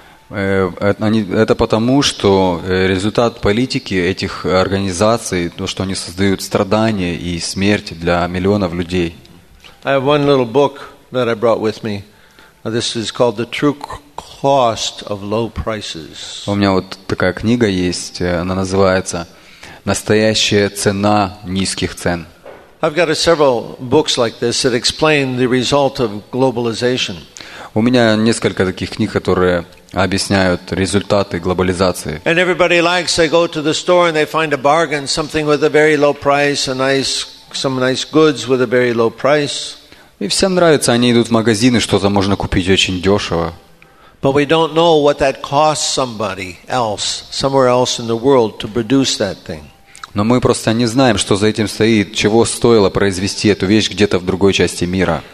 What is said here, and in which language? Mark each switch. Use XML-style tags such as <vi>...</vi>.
<ru>Это потому, что результат политики этих организаций, то, что они создают страдания и смерть для миллионов людей.</ru> <en>I have one little book that I brought with me. This is called The True Cost of Low Prices.</en> <ru>У меня вот такая книга есть, она называется «Настоящая цена низких цен».</ru> <en>I've got several books like this that explain the result of globalization.</en> <ru>У меня несколько таких книг, которые объясняют результаты глобализации.</ru> <en>And everybody likes to go to the store and they find a bargain, something with a very low price, some nice goods with a very low price.</en> <ru>И всем нравится, они идут в магазины, что-то можно купить очень дешево.</ru> <en>But we don't know what that costs somebody else, somewhere else in the world to produce that thing.</en> <ru>Но мы просто не знаем, что за этим стоит, чего стоило произвести эту вещь где-то в другой части мира.</ru>